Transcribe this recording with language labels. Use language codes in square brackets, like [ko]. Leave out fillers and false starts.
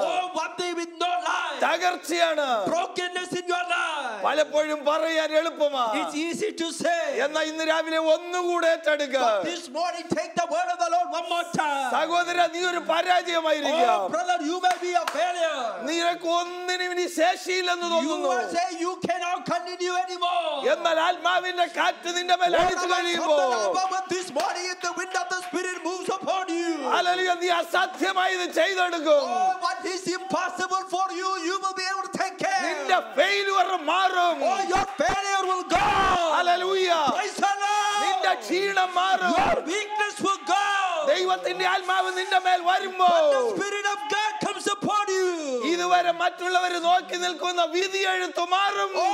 [en] oh what they with no life [ml] തകർച്ചയാണ് [en] brokenness in your life [ml] പലപ്പോഴും പറയാൻ എളുപ്പമാണ് [en] it's easy to say [ml] എന്നാൽ ഇന്ന് രാവിലെ ഒന്നുകൂടെ തടുക [en] but this morning take the word of the lord one more time [ml] സഹോദര നീ ഒരു പരാജയമായിരിക്കും [en] oh brother you may be a failure [ml] നിനക്ക് ഒന്നിനും ഇനി ശേഷിയില്ലെന്ന് തോന്നുന്നു [en] you say you cannot continue anymore [ml] എന്നാൽ ആത്മാവിന്റെ കാറ്റ് നിന്റെ മേൽ അടിച്ചു കഴിയുമ്പോൾ [en] this morning if the wind of the spirit moves upon you [ml] hallelujah നീ അസാധ്യമായത് ചെയ്തെടുക്കും [en] oh what is impossible for you you will be able to take care [ml] നിന്റെ failure മാറും [en] oh your failure will go hallelujah praise the lord [ml] നിന്റെ ക്ഷീണം മാറും [en] your weakness will go [ml] ദൈവത്തിന്റെ ആത്മാവ് നിന്റെ മേൽ വരുമ്പോൾ [en] the spirit of god comes upon you [ml] ഇതുവരെ മറ്റുള്ളവർ നോക്കി നിൽക്കുന്ന വീതി എഴുത്തു മാറും